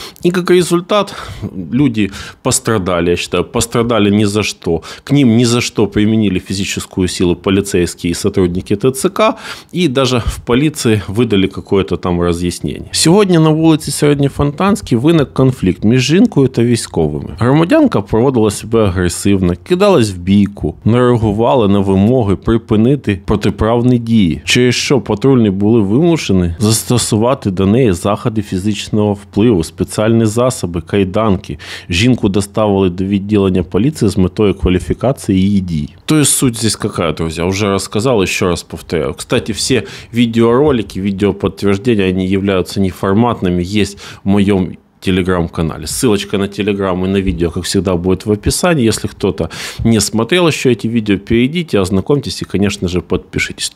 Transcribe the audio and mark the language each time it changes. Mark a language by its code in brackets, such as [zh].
[ru] И как результат, люди пострадали, я считаю. Пострадали ни за что. К ним ни за что применили физическую силу полицейские и сотрудники ТЦК. И даже в полиции выдали какое-то там разъяснение. Сегодня на улице Среднефонтанский [uk] вынык конфликт между жінкою та військовими. Громадянка проводила себе агресивно, кидалась в бійку, не реагували на вимоги припинити протиправні дії, через що патрульні були вимушені застосувати до неї заходи фізичного впливу, спеціальні засоби, кайданки. Жінку доставили до відділення поліції з метою кваліфікації її дій. [ru] То есть, суть здесь какая, друзья? Уже рассказал, еще раз повторяю. Кстати, все видеоролики, видеоподтверждения, они являются неформатными. Есть в моем телеграм-канале. Ссылочка на телеграм и на видео, как всегда, будет в описании. Если кто-то не смотрел еще эти видео, перейдите, ознакомьтесь и, конечно же, подпишитесь.